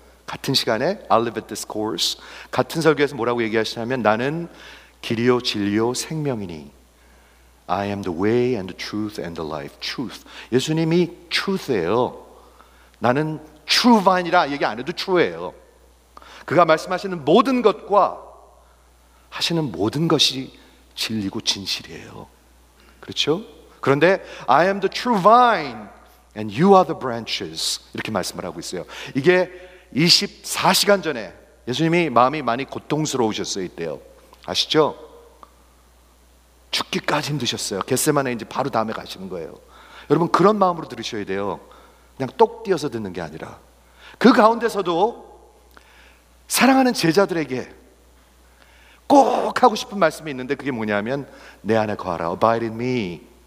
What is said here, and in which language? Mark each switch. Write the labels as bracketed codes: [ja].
[ko] 같은 시간에 [en] I'll live at this course. [ko] 같은 설교에서 뭐라고 얘기하시냐면 나는 길이요 진리요 생명이니 [en] I am the way and the truth and the life. Truth. [ko] 예수님이 truth예요. 나는 true vine이라 얘기 안 해도 true예요. 그가 말씀하시는 모든 것과 하시는 모든 것이 진리고 진실이에요. 그렇죠? [en] 그런데 I am the true vine and you are the branches. [ko] 이렇게 말씀을 하고 있어요. 이게 24시간 전에 예수님이 마음이 많이 고통스러우셨어요. 이때요. 아시죠? 죽기까지 힘드셨어요. 겟세마네 이제 바로 다음에 가시는 거예요. 여러분 그런 마음으로 들으셔야 돼요. 그냥 똑 띄어서 듣는 게 아니라 그 가운데서도 사랑하는 제자들에게 꼭 하고 싶은 말씀이 있는데 그게 뭐냐면 내 안에 거하라, [en] Abide in me.